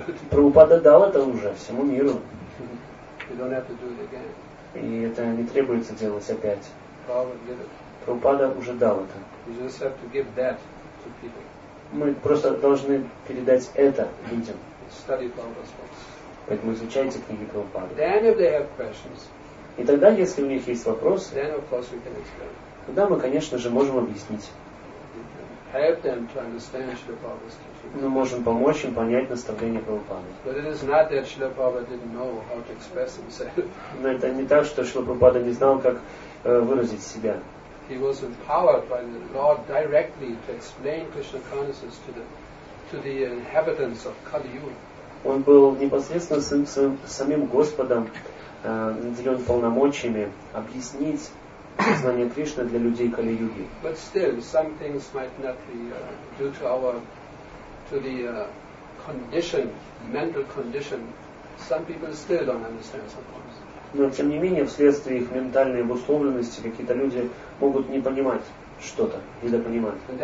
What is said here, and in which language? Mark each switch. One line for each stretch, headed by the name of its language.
Russian: Прабхупада дал это уже всему миру.
English: You don't have to do it again.
Russian: И это не требуется делать опять. Прабхупада уже дал это.
English: You just have to give that to people.
Russian: Мы просто должны передать это людям.
English: Study Prabhupada's books.
Russian: Поэтому изучайте книги Прабхупады.
English: Then if they have questions,
Russian: и тогда, если у них есть вопрос,
English: then of course we can explain.
Russian: Тогда мы, конечно же, можем объяснить.
English: Help them to understand Srila Prabhupada's teaching.
Russian: Мы можем помочь им понять наставление Прабхупады.
English: But it is not that Srila Prabhupada didn't know how to express himself.
Russian: Но это не так, что Шрила Прабхупада не знал, как выразить себя.
English: He was empowered by the Lord directly to explain Krishna consciousness to the inhabitants of Kali Yuga.
Russian: Он был непосредственно самим Господом, наделен полномочиями объяснить знание Кришны для людей Кали Юги.
English: But still, some things might not be due to our to the condition, mental condition. Some people still don't understand sometimes.
Russian: Но, тем не менее, вследствие их ментальной обусловленности какие-то люди могут не понимать что-то, недопонимать.